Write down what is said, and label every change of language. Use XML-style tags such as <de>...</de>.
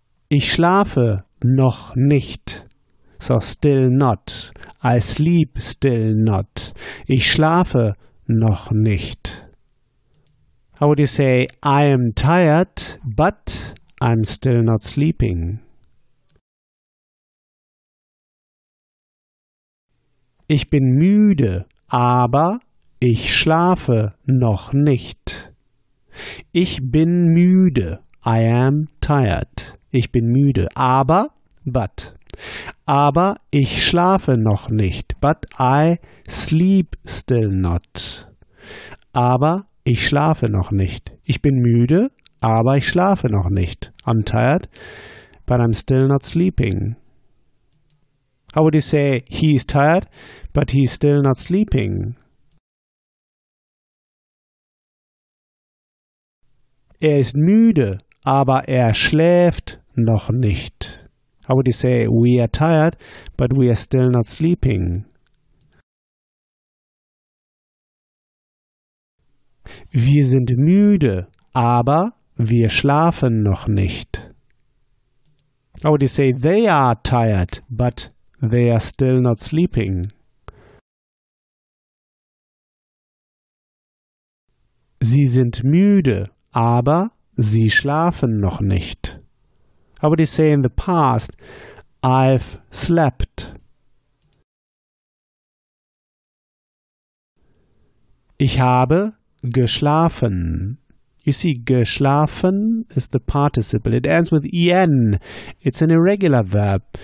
<de>Ich schlafe noch nicht.</de> <en>So still not. I sleep still not.</en> <de>Ich schlafe noch nicht.</de> <en>How would you say, I am tired, but I'm still not sleeping?</en> <de>Ich bin müde, aber ich schlafe noch nicht. Ich bin müde.</de> <en>I am tired.</en> <de>Ich bin müde, aber, but, aber ich schlafe noch nicht,</de> <en>but I sleep still not,</en> <de>aber ich schlafe noch nicht. Ich bin müde, aber ich schlafe noch nicht.</de> <en>I'm tired, but I'm still not sleeping. How would you say he's tired, but he's still not sleeping?</en> <de>Er ist müde, aber er schläft noch nicht.</de> <en>How would you say we are tired, but we are still not sleeping?</en> <de>Wir sind müde, aber wir schlafen noch nicht.</de> <en>How would you say they are tired, but they are still not sleeping?</en> <de>Sie sind müde, aber sie schlafen noch nicht.</de> <en>How would you say in the past, I've slept?</en> <de>Ich habe geschlafen.</de> <en>You see, geschlafen is the participle. It ends with en. It's an irregular verb.</en>